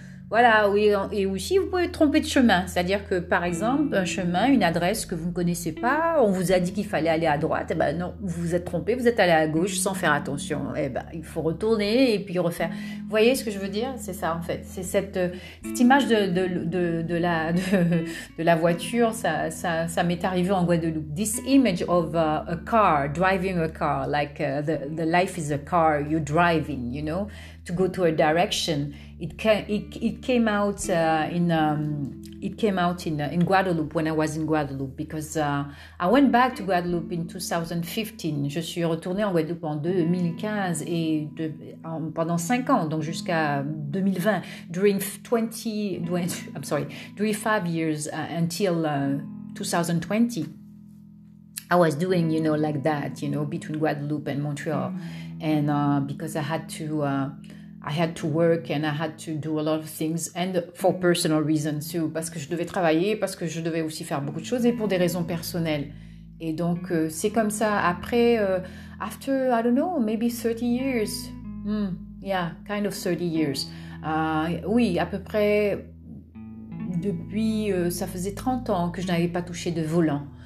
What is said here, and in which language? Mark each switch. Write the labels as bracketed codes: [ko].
[fr] Voilà, oui, et aussi, vous pouvez tromper de chemin. C'est-à-dire que, par exemple, un chemin, une adresse que vous ne connaissez pas, on vous a dit qu'il fallait aller à droite, et ben non, vous vous êtes trompé, vous êtes allé à gauche sans faire attention. Et ben, il faut retourner et puis refaire. Vous voyez ce que je veux dire? C'est ça, en fait. C'est cette image de la voiture, ça m'est arrivé en Guadeloupe. [en] This image of a car, driving a car, like the life is a car you're driving, you know, to go to a direction. It came out in It came out in Guadeloupe when I was in Guadeloupe because I went back to Guadeloupe in 2015. [fr] Je suis retournée en Guadeloupe en 2015 pendant 5 ans, donc jusqu'à 2020. [en] During 5 years until 2020, I was doing, you know, like that, you know, between Guadeloupe and Montreal. And because I had to work and I had to do a lot of things and for personal reasons too. [fr] Parce que je devais travailler, parce que je devais aussi faire beaucoup de choses et pour des raisons personnelles. Et donc, c'est comme ça. Après, [en] after, I don't know, maybe 30 years. Kind of 30 years. [fr] Oui, à peu près depuis, ça faisait 30 ans que je n'avais pas touché de volant.